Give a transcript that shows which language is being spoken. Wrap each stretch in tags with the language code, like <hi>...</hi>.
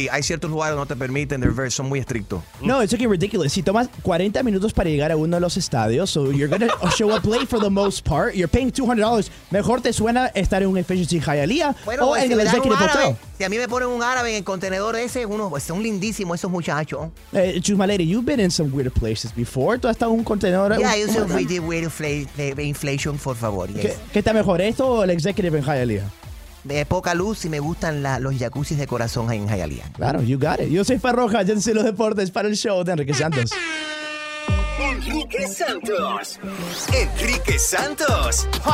<es>Hay ciertos lugares donde no te permiten. Son muy estrictos.</es> <en>No, it's looking ridiculous.</en> <es>Si tomas 40 minutos para llegar a uno de los estadios,</es> <en>so you're going to show up late for the most part. You're paying $200.</en> <es>Mejor te suena estar en un Efficiency Hialeah o en el Executive Hotel. Si a mí me ponen un árabe en el contenedor ese, son lindísimos esos muchachos.</es> <en>Chusma Lady, you've been in some weird places before.</en> <es>¿Tú has estado en un contenedor? Yeah, yo soy muy de</es> <en>weird inflation,</en> <es>por favor.</es> <en>Yes.</en> <es>¿Qué está mejor, esto o el Executive en Hialeah? Poca luz y me gustan los jacuzzis de corazón en Hialeah. Claro,</es> <en>you got it.</en> <es>Yo soy Farroja, yo soy los deportes para el show de Enrique Santos. Enrique Santos. Enrique Santos.</es>